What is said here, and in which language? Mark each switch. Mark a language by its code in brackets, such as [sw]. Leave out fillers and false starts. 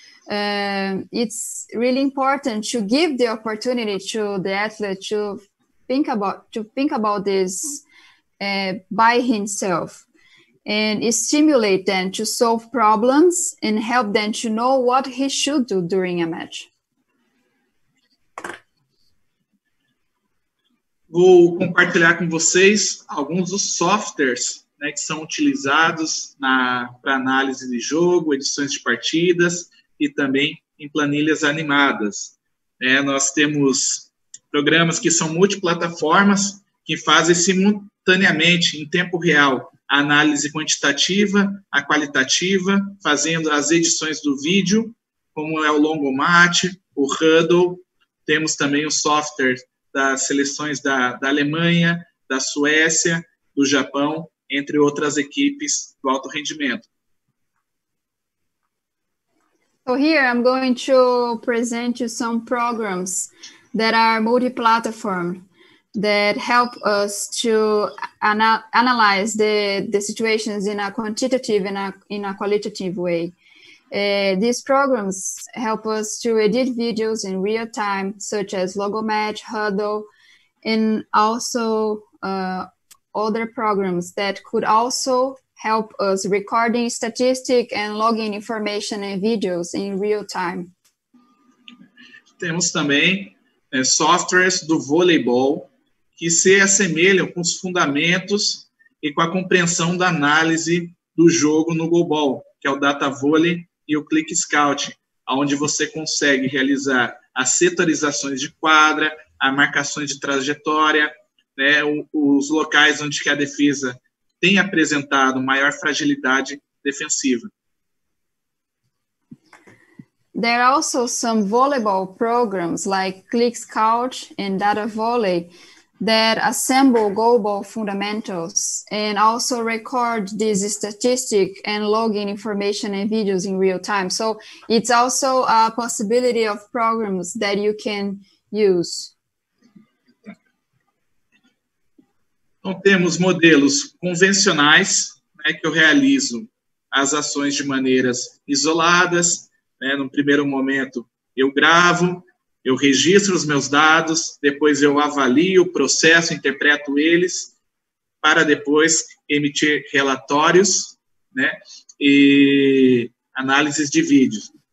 [en] It's really important to give the opportunity to the athlete to think about this by himself and stimulate them to solve problems and help them to know what he should do during a match. [pt] Vou compartilhar com vocês alguns dos softwares, né, que são utilizados para análise de jogo, edições de partidas e também em planilhas animadas. É, nós temos programas que são multiplataformas, que fazem simultaneamente, em tempo real, a análise quantitativa, a qualitativa, fazendo as edições do vídeo, como é o Longomate, o Huddle. Temos também o software das seleções da Alemanha, da Suécia, do Japão, entre outras equipes do alto rendimento. [en] So here I'm going to present you some programs that are multi-platform that help us to analyze the situations in a quantitative and in a qualitative way. These programs help us to edit videos in real time, such as Logomatch, Huddle, and also other programs that could also help us recording statistic and logging information and videos in real time. [pt] Temos também softwares do voleibol que se assemelham com os fundamentos e com a compreensão da análise do jogo no goalball, que é o Data Volley e o Click Scout, onde você consegue realizar as setorizações de quadra, a marcação de trajetória, né, os locais onde que a defesa tem apresentado maior fragilidade defensiva. [en] There are also some volleyball programs like Click Scout and Data Volley that assemble goalball fundamentals and also record this statistic and logging information and videos in real time. So it's also a possibility of programs that you can use. [pt] Então, temos modelos convencionais, né, que eu realizo as ações de maneiras isoladas. Né, no primeiro momento, eu gravo, eu registro os meus dados, depois eu avalio o processo, interpreto eles, para depois emitir relatórios, né, e análises de vídeos.